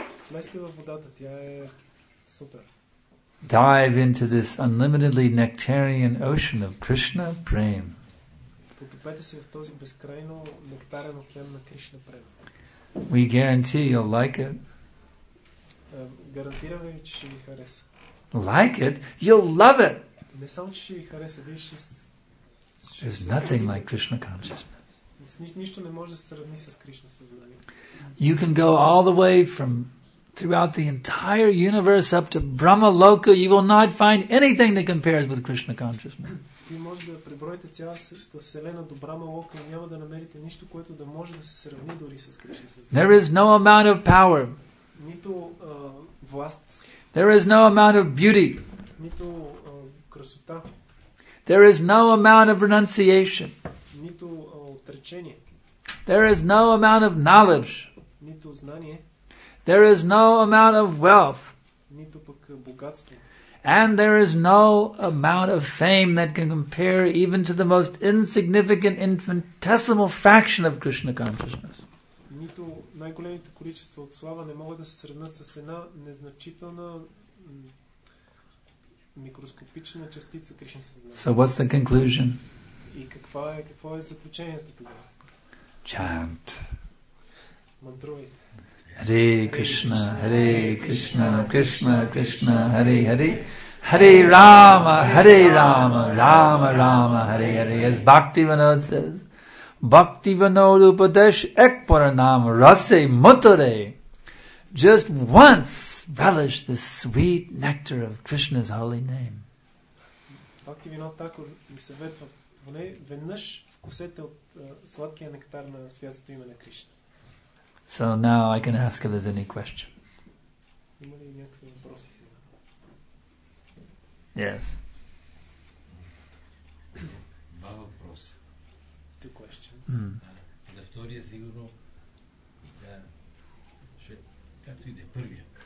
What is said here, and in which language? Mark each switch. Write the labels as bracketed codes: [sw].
[bg] Влезте във водата, тя е супер. [en] Dive into this unlimitedly nectarian ocean of Krishna Prem. [bg] Потопете се в този безкрайно нектарен океан на Кришна Прем. [en] We guarantee you'll like it. [bg] Гарантираме ви, че ще ви хареса. [en] Like it? You'll love it! [bg] Не само, че ще ви хареса, вие ще... [en] There's nothing like Krishna consciousness. [bg] Нищо не може да се сравни с Кришна съзнание. [en] You can go all the way from throughout the entire universe up to Brahma Loka, you will not find anything that compares with Krishna consciousness. [bg] Вие може да преброите цялата вселена до Брама Лока, няма да намерите нищо, което да може да се сравни дори с Кришна съзнание. [en] There is no amount of power. [bg] Нито власт. [en] There is no amount of beauty. [bg] Нито красота. [en] There is no amount of renunciation. [bg] Нито отречение. [en] There is no amount of knowledge. [bg] Нито знание. [en] There is no amount of wealth. [bg] Нито пък богатство. [en] And there is no amount of fame that can compare even to the most insignificant infinitesimal fraction of Krishna consciousness. [bg] Нито най-големите количества от слава не могат да се сравнят с една незначителна микроскопична частица Кришна съзнание. [en] So what's the conclusion? [bg] И какво е заключението тогава? [en] Chant. [bg] Мантровите. [sa] Hare Krishna, Hare Krishna, Krishna Krishna, Hare Hare. Hare Rama, Hare Rama, Rama Rama, Hare Hare. [en] As Bhaktivinoda says, [sa] Bhaktivinoda upadesh ek paranam rase mutare. [en] Just once relish the sweet nectar of Krishna's holy name. Bhaktivinoda Thakur mi savetva, poneveddnash [bg] вкусете от сладкия нектар на святото име на Кришна. [en] So now I can ask if there's any question. [bg] Има ли някакви въпроси сега? [en] Yes. [bg] Два въпроса. [en] Two questions. [bg] За втория сигурно, да, ще, както и да е първия.